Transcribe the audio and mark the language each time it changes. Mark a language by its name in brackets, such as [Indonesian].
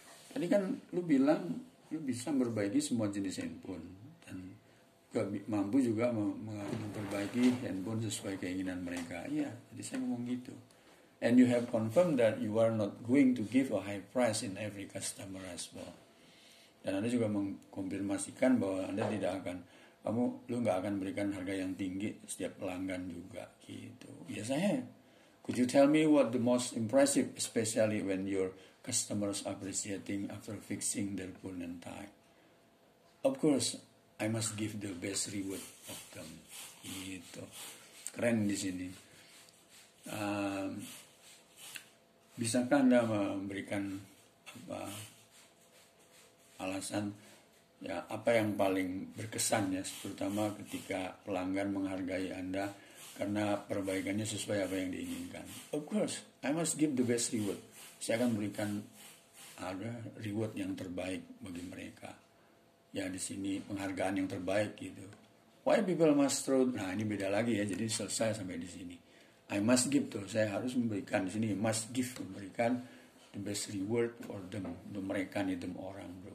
[Indonesian] Tadi kan lu bilang lu bisa memperbaiki semua jenis handphone dan mampu juga memperbaiki handphone sesuai keinginan mereka. Iya, jadi saya ngomong gitu. [English] And you have confirmed that you are not going to give a high price in every customer as well. [Indonesian] Dan Anda juga mengkonfirmasikan bahwa Anda tidak akan kamu lu enggak akan berikan harga yang tinggi setiap pelanggan juga gitu. [English] Yes, I have. Could you tell me what the most impressive especially when your customers appreciating after fixing their phone and time? Of course, I must give the best reward of them. [Indonesian] Gitu. Keren di sini. Bisakah Anda memberikan apa alasan ya apa yang paling berkesan ya terutama ketika pelanggan menghargai Anda karena perbaikannya sesuai apa yang diinginkan. [English] Of course, I must give the best reward. [Indonesian] Saya akan berikan ada reward yang terbaik bagi mereka. Ya di sini penghargaan yang terbaik gitu. [English] Why people must throw? [Indonesian] Nah, ini beda lagi ya. Jadi selesai sampai di sini. [English] I must give [Indonesian] tuh. Saya harus memberikan di sini [English] must give [Indonesian] memberikan [English] the best reward for them [Indonesian] untuk mereka nih them orang.